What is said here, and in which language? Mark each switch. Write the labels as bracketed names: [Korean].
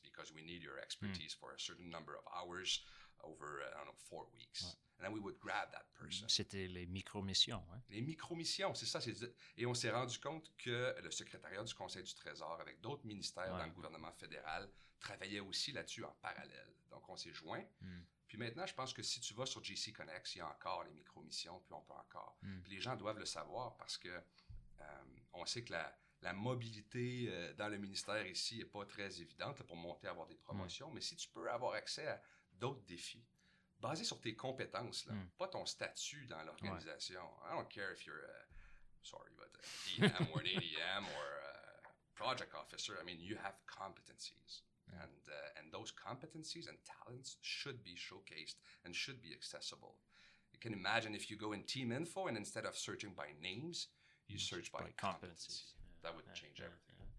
[English] Because we need your expertise for a certain number of hours over, I don't know, 4 weeks. And then we would grab that person. [French] C'était les micro-missions. Hein? Les micro-missions, c'est ça. Et on s'est rendu compte que le secrétariat du Conseil du Trésor, avec d'autres ministères dans le gouvernement fédéral, travaillait aussi là-dessus en parallèle. Donc, on s'est joints. Puis maintenant, je pense que si tu vas sur GC Connect, il y a encore les micro-missions, puis on peut encore. Puis les gens doivent le savoir parce que on sait que la mobilité dans le ministère ici n'est pas très évidente pour monter, avoir des promotions. Mais si tu peux avoir accès à d'autres défis, basé sur tes compétences, là, pas ton statut dans l'organisation. [English] I don't care if you're, sorry, but DM or an ADM or project officer. I mean, you have competencies. And those competencies and talents should be showcased and should be accessible. You can imagine if you go in Team Info and instead of searching by names, you search by competencies. That would change everything.